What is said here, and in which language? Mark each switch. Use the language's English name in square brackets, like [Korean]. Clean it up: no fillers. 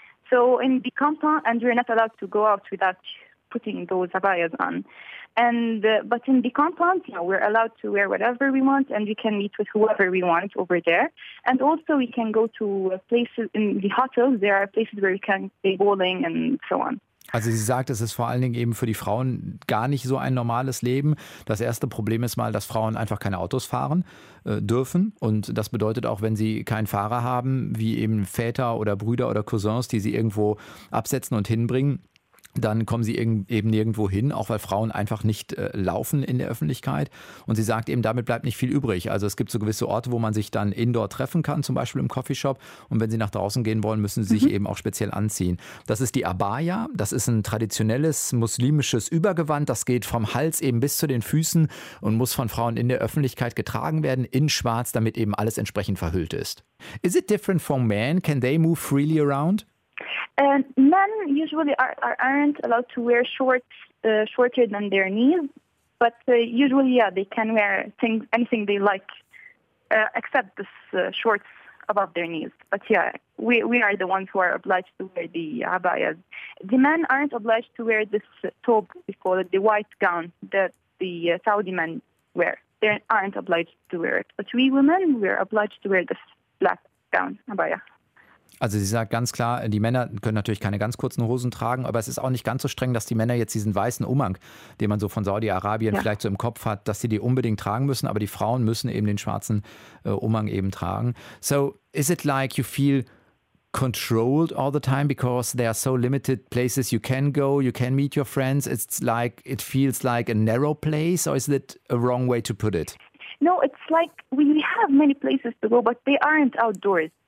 [English] So in the compound, and we're not allowed to go out without putting those abayas on. But in the compound, you know, we're allowed to wear whatever we want and we can meet with whoever we want over there. And also we can go to places in the hotels. There are places where we can play bowling and so on. [German] Also sie sagt, es ist vor allen Dingen eben für die Frauen gar nicht so ein normales Leben. Das erste Problem ist mal, dass Frauen einfach keine Autos fahren dürfen. Und das bedeutet auch, wenn sie keinen Fahrer haben, wie eben Väter oder Brüder oder Cousins, die sie irgendwo absetzen und hinbringen, dann kommen sie eben nirgendwo hin, auch weil Frauen einfach nicht laufen in der Öffentlichkeit. Und sie sagt eben, damit bleibt nicht viel übrig. Also es gibt so gewisse Orte, wo man sich dann indoor treffen kann, zum Beispiel im Coffeeshop. Und wenn sie nach draußen gehen wollen, müssen sie sich eben auch speziell anziehen. Das ist die Abaya. Das ist ein traditionelles muslimisches Übergewand. Das geht vom Hals eben bis zu den Füßen und muss von Frauen in der Öffentlichkeit getragen werden, in schwarz, damit eben alles entsprechend verhüllt ist. [English] Is it different for men? Can they move freely around? Men usually aren't allowed to wear shorts shorter than their knees, but usually, yeah, they can wear anything they like, except this shorts above their knees. But yeah, we are the ones who are obliged to wear the abayas. The men aren't obliged to wear this thobe, we call it, the white gown that the Saudi men wear. They aren't obliged to wear it. But we women, we are obliged to wear this black gown, abaya. [German] Also sie sagt ganz klar, die Männer können natürlich keine ganz kurzen Hosen tragen, aber es ist auch nicht ganz so streng, dass die Männer jetzt diesen weißen Umhang, den man so von Saudi-Arabien ja vielleicht so im Kopf hat, dass sie die unbedingt tragen müssen, aber die Frauen müssen eben den schwarzen Umhang eben tragen. [English] So is it like you feel controlled all the time because there are so limited places you can go, you can meet your friends? It's like, it feels like a narrow place, or is it a wrong way to put it? No, it's like we have many places to go, but they aren't outdoors.